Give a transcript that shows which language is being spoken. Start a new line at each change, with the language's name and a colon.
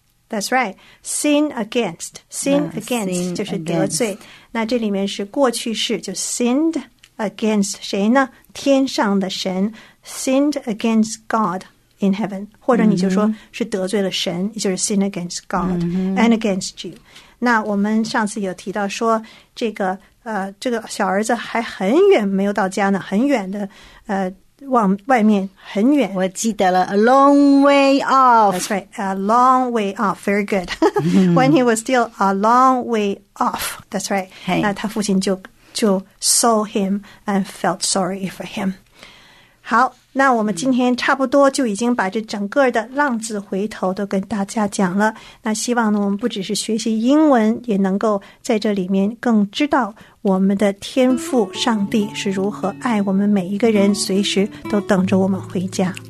English: that's right， sin against， sin against
Chinese: 就是得罪、那这里面是过去式，就
English: sinned against
Chinese: 谁呢，天上的神，
English: sinned against God in heaven，
Chinese: 或者你就说是得罪了神、
English: mm-hmm.
Chinese: 就是
English: sin against God、 mm-hmm. and against you。
Chinese: 那我们上次有提到说这个小儿子还很远没有到家呢，很远的往外面很远。我记得了 ,
English: a long way off. That's right, a long way off, very good. When he was still a long way off, that's right. Hey.
Chinese: 那他父亲就
English: saw him and felt sorry for him.
Chinese: 好，那我们今天差不多就已经把这整个的浪子回头都跟大家讲了。那希望呢，我们不只是学习英文，也能够在这里面更知道我们的天父上帝是如何爱我们每一个人，随时都等着我们回家。